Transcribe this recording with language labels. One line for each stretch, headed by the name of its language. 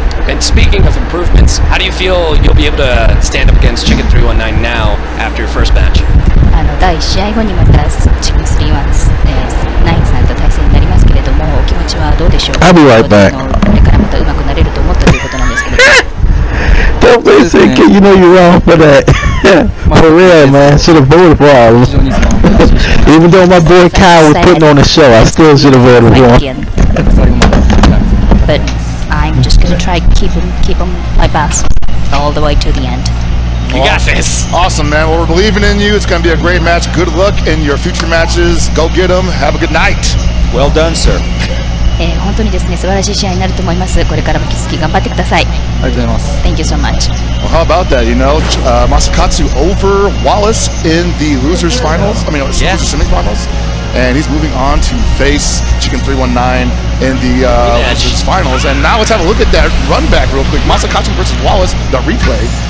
English: And speaking of improvements, how do you feel you'll be able to stand up against Chicken 319 now after your first match?
Japanese: 第1試合後にまた Chicken 319さんと対戦になりますけれども、お気持ちはどうでしょう?
English: I'll be right back.
Japanese: これからまた上手くなれると思ったということなんですけど。
English: Don't be thinking you know you're wrong for that. For real, man. Should have voted for all. Even though my boy Kyle was putting on a show, I still should have voted for him. But I'm just gonna try keep him my best all the way to the end. You got this. Awesome, man. Well, we're believing in you. It's gonna be a great match. Good luck in your future matches. Go get them. Have a good night. Well done, sir.
Japanese: 本当にですね、素晴らしい試合になると思います。これからも引き続き頑張ってください。ありがとうございます。
English: Thank you so much. Well, how about that? You know, Masakatsu over Wallace in the losers finals. I mean, losers semifinals, and he's moving on to face Chicken 319 in the losers finals. And now let's have a look at that run back real quick. Masakatsu versus Wallace, the replay.